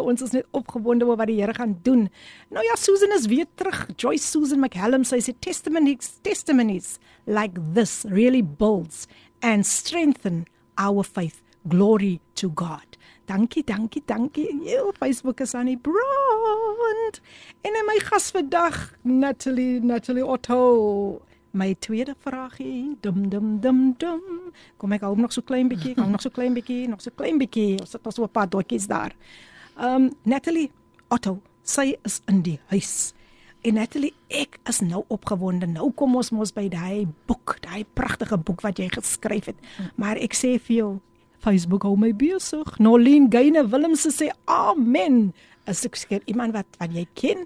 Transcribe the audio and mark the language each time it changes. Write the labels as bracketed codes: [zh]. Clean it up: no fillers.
[af] Ons is net opgewonde oor wat die Heere gaan doen. Nou ja, Susan is weer terug. [en] Joyce Susan McHallum, [af] sy sê, [en] testimonies like this really builds and strengthen our faith. Glory to God. [af] Dankie. Jou Facebook is aan die brand. En in my gas vandag, Natalie Otto. My tweede vraagie, dum. Kom, ek hou nog so klein bietjie, nog so klein bietjie. Ons het al so 'n paar doekies daar. Natalie Otto, sy is in die huis. En Natalie, ek is nou opgewonde. Nou kom ons mos by die boek, die pragtige boek wat jy geskryf het. Maar ek sê vir jou, Facebook hou my besig. Nolien Geyne Willemse sê, amen. Is ek seker iemand wat jy ken?